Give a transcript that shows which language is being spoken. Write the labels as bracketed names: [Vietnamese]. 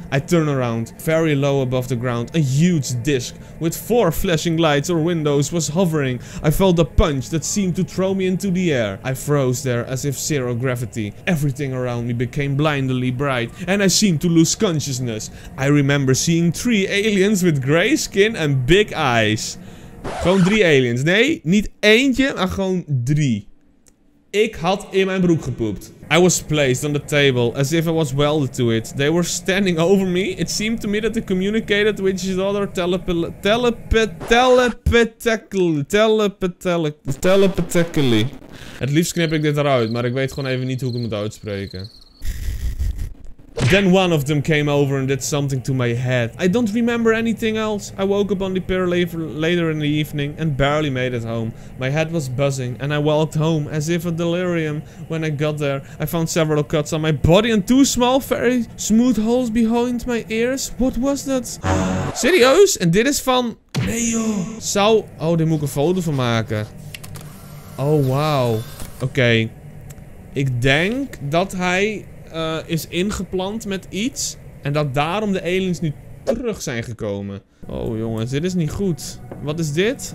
[English] I turn around, very low above the ground. A huge disc with four flashing lights or windows was hovering. I felt a punch that seemed to throw me into the air. I froze there as if zero gravity. Everything around me became blindingly bright, and I seemed to lose consciousness. I remember seeing three aliens with gray skin and big eyes. [Dutch] Gewoon drie aliens. Nee, niet eentje, maar gewoon drie. Ik had in mijn broek gepoept. [English] I was placed on the table, as if I was welded to it. They were standing over me. It seemed to me that they communicated with each other telepathically. [Dutch] Het liefst knip ik dit eruit, maar ik weet gewoon even niet hoe ik het moet uitspreken. [English] Then one of them came over and did something to my head. I don't remember anything else. I woke up on the pier later in the evening and barely made it home. My head was buzzing and I walked home as if a delirium. When I got there, I found several cuts on my body and two small, very smooth holes behind my ears. What was that? [Dutch] Serieus? En dit is van... Nee joh. Zou... Oh, daar moet ik een foto van maken. Oh, wow. Oké. Ik denk dat hij... is ingeplant met iets. En dat daarom de aliens nu terug zijn gekomen. Oh jongens, dit is niet goed. Wat is dit?